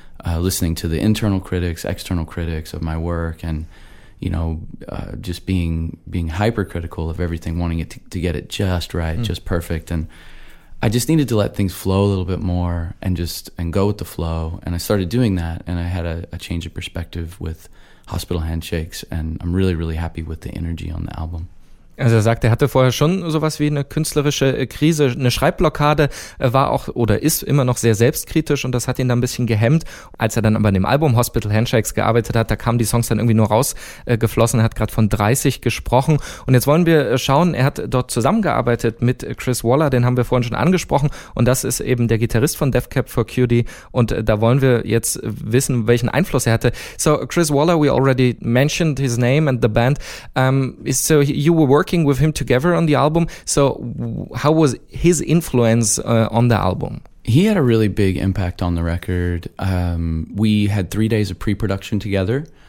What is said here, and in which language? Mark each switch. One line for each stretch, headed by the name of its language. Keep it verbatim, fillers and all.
English: Uh, listening to the internal critics, external critics of my work, and you know, uh, just being being hypercritical of everything, wanting it to, to get it just right, mm. just perfect. And I just needed to let things flow a little bit more, and just and go with the flow. And I started doing that, and I had a, a change of perspective with Hospital Handshakes, and I'm really really happy with the energy on the album.
German: Also er sagt, er hatte vorher schon sowas wie eine künstlerische Krise, eine Schreibblockade, war auch oder ist immer noch sehr selbstkritisch, und das hat ihn dann ein bisschen gehemmt. Als er dann aber an dem Album Hospital Handshakes gearbeitet hat, da kamen die Songs dann irgendwie nur rausgeflossen. Er hat gerade von dreißig gesprochen, und jetzt wollen wir schauen, er hat dort zusammengearbeitet mit Chris Waller, den haben wir vorhin schon angesprochen, und das ist eben der Gitarrist von Deathcab for Cutie, und da wollen wir jetzt wissen, welchen Einfluss er hatte.
English: So Chris Waller, we already mentioned his name and the band. Um, so you were working with him together on the album. So how was his influence uh, on the album? He had a really big impact on the record. Um, we had three days of pre-production together.